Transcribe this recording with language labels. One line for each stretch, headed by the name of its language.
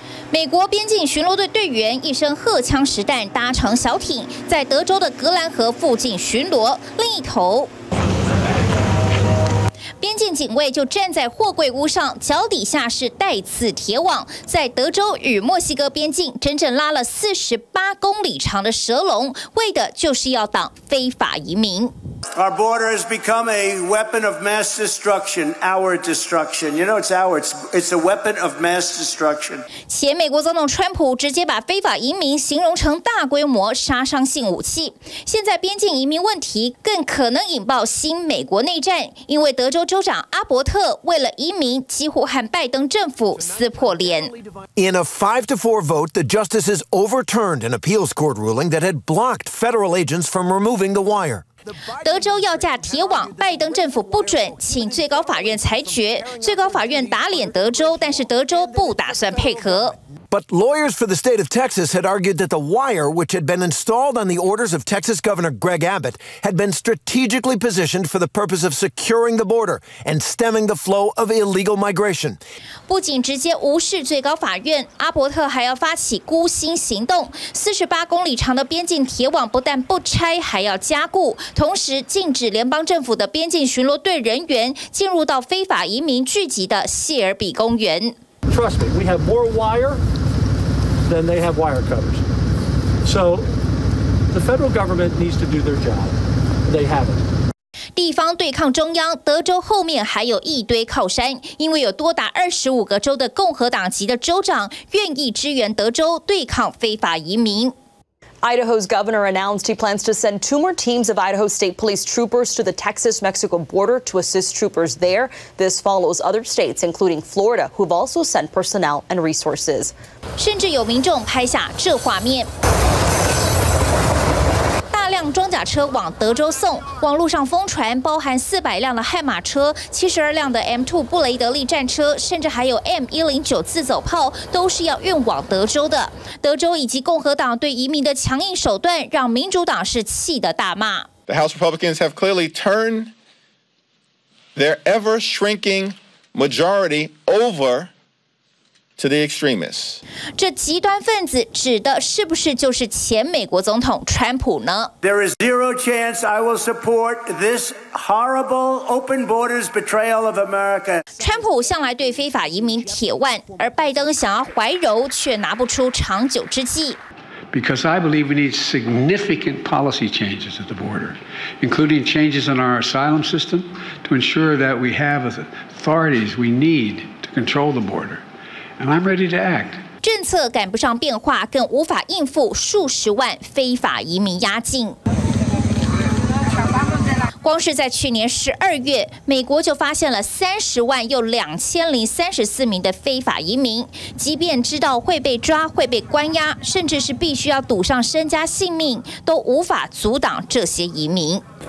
Chinese: 美国边境巡逻队队员一声荷枪实弹，搭乘小艇在德州的格兰河附近巡逻，另一头边境警卫就站在货柜屋上，脚底下是带刺铁网，在德州与墨西哥边境整整拉了48公里长的蛇笼，为的就是要挡非法移民。
English: Our border has become a weapon of mass destruction. Our destruction. You know, it's our. It's a weapon of mass destruction.
Chinese: 前美国总统川普直接把非法移民形容成大规模杀伤性武器。现在边境移民问题更可能引爆新美国内战，因为德州州长阿伯特为了移民几乎和拜登政府撕破脸。
English: In a 5-4 vote, the justices overturned an appeals court ruling that had blocked federal agents from removing the wire.
Chinese: 德州要架铁网，拜登政府不准，请最高法院裁决。最高法院打脸德州，但是德州不打算配合。
English: But lawyers for the state of Texas had argued that the wire, which had been installed on the orders of Texas Governor Greg Abbott, had been strategically positioned for the purpose of securing the border and stemming the flow of illegal migration.
Chinese: 不仅直接无视最高法院，阿伯特还要发起孤星行动。 48公里长的边境铁网不但不拆，还要加固，同时禁止联邦政府的边境巡逻队人员进入到非法移民聚集的谢尔比公园。
English: Trust me, we have more wire than they have wire covers. So the federal government needs to do their job. They haven't.
Chinese: 地方对抗中央，德州后面还有一堆靠山，因为有多达25个州的共和党籍的州长愿意支援德州对抗非法移民。
English: Idaho's governor announced he plans to send 2 more teams of Idaho State Police troopers to the Texas-Mexico border to assist troopers there. This follows other states, including Florida, who've also sent personnel and resources.
Chinese: 甚至有民众拍下这画面。装甲车往德州送，网络上疯传包含400辆的悍马车、72辆的 M2 布雷德利战车，甚至还有 M109 自走炮，都是要运往德州的。德州以及共和党对移民的强硬手段，让民主党是气得大骂。
English: The House Republicans have clearly turned their ever-shrinking majority over. To the extremists.
Chinese: 这极端分子指的是不是就是前美国总统川普呢？
English: There is zero chance I will support this horrible open borders betrayal of America.
Chinese: 川普向来对非法移民铁腕，而拜登想要怀柔却拿不出长久之计。
English: Because I believe we need significant policy changes at the border, including changes in our asylum system to ensure that we have the authorities we need to control the border. And I'm ready to act.
Chinese: 政策赶不上变化，更无法应付数十万非法移民压境。光是在去年12月，美国就发现了302,034名的非法移民。即便知道会被抓、会被关押，甚至是必须要赌上身家性命，都无法阻挡这些移民。